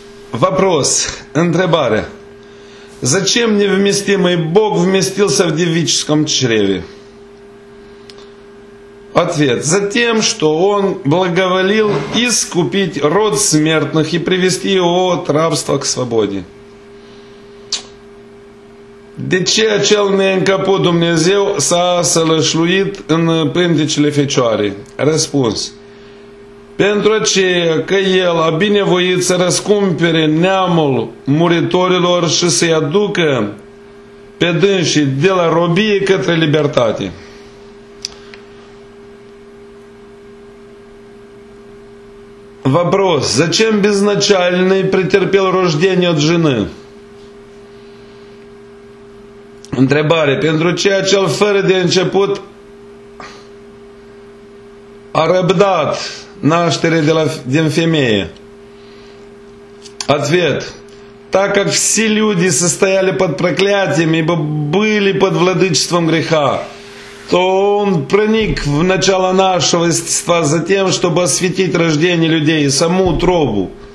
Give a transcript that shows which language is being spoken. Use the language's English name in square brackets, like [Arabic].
[Russian] Вопрос, întrebare. Зачем невместимый Бог вместился в девическом чреве? Ответ. За тем, что он благоволил искупить род смертных и привести его от рабства к свободе. [Romanian] De ce acel neîncăput Dumnezeu s-a sălășluit în pântecele fecioarei? Răspuns. Pentru aceea că el a binevoit să răscumpere neamul muritorilor și să-i aducă pe dânsii de la robie către libertate. [Russian] Вопрос. Зачем безначальный претерпел рождение от жены? [Romanian] Întrebare. Pentru ce acel fără de început a răbdat naștere din femeie? [Russian] Ответ. Так как все люди состояли под проклятием, ибо были под владычеством греха, то он проник в начало нашего естества за тем, чтобы осветить рождение людей и саму утробу.